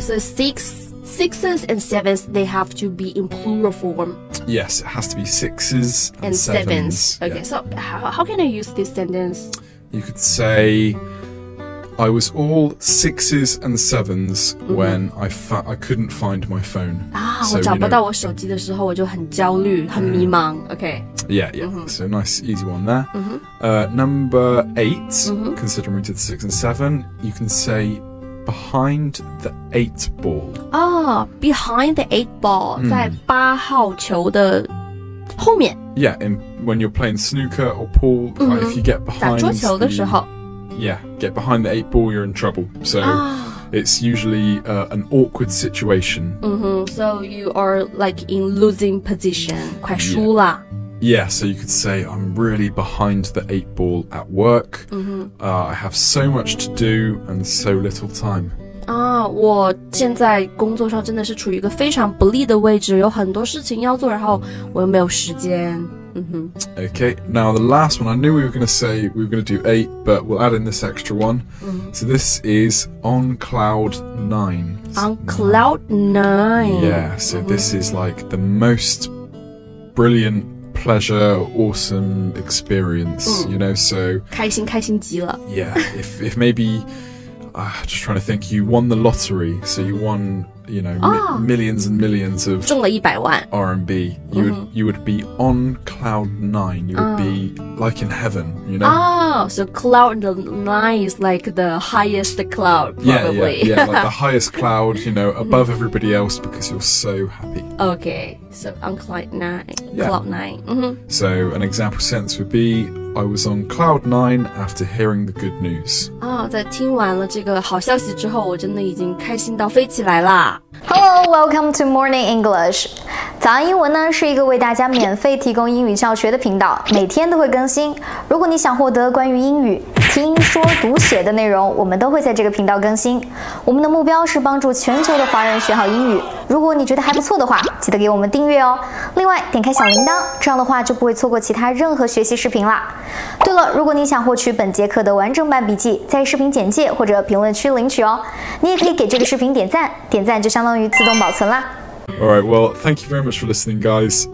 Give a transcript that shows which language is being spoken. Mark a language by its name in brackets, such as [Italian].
[English] so sixes and sevens, they have to be in plural form, yes, it has to be sixes and sevens. Okay,、 yeah. so how can I use this sentence? You could sayI was all sixes and sevens、mm-hmm. when I couldn't find my phone. [Chinese] Ah, 我找不到我手机的时候，我就很焦虑，很迷茫。 [English] Okay. Yeah, yeah.、 Mm-hmm. So nice, easy one there.、 Mm-hmm. Number eight,、mm-hmm. considering we did six and seven, you can say behind the eight ball. Ah, behind the eight ball,、mm. [Chinese] 在八号球的后面。 [English] Yeah, and when you're playing snooker or pool,、 mm-hmm. right, if you get behind [Chinese] 打桌球的时候。 [English] Yeah, get behind the eight ball, you're in trouble. So、it's usually、an awkward situation.、 Mm-hmm. So you are like in losing position, [Chinese] 快输了 [English] Yeah, so you could say, I'm really behind the eight ball at work.、 Mm-hmm. I have so much to do and so little time.、 [Chinese] 我现在工作上真的是处于一个非常不利的位置，有很多事情要做，然后我又没有时间。 [English] Mm-hmm. Okay, now the last one, I knew we were going to do eight, but we'll add in this extra one.、 Mm-hmm. So this is on cloud nine. On cloud nine. Yeah, so、mm-hmm. this is like the most brilliant, pleasure, awesome experience,、mm-hmm. you know, so... [Chinese] 开心开心极了 [English] Yeah, if maybe... just trying to think, you won the lottery, so you won, you know,、millions and millions of [Chinese] 中了一百万 [English] RMB. You would be on cloud nine. You would、be like in heaven, you know? Oh, so cloud nine is like the highest cloud, probably. Yeah, like the highest cloud, you know, above everybody else because you're so happy. Okay, so on cloud nine.、Yeah. Cloud nine.、Mm-hmm. So an example sentence would be,I was on cloud nine after hearing the good news. [Chinese] 在听完了这个好消息之后，我真的已经开心到飞起来了。 [English] Hello, welcome to Morning English. [Chinese] 早安英文呢是一个为大家免费提供英语教学的频道，每天都会更新。如果你想获得关于英语听说读写的内容，我们都会在这个频道更新。我们的目标是帮助全球的华人学好英语。如果你觉得还不错的话，记得给我们订阅哦。另外，点开小铃铛，这样的话就不会错过其他任何学习视频啦。对了，如果你想获取本节课的完整版笔记，在视频简介或者评论区领取哦。你也可以给这个视频点赞，点赞就相当于自动保存啦。 [English] All right, well, thank you very much for listening, guys.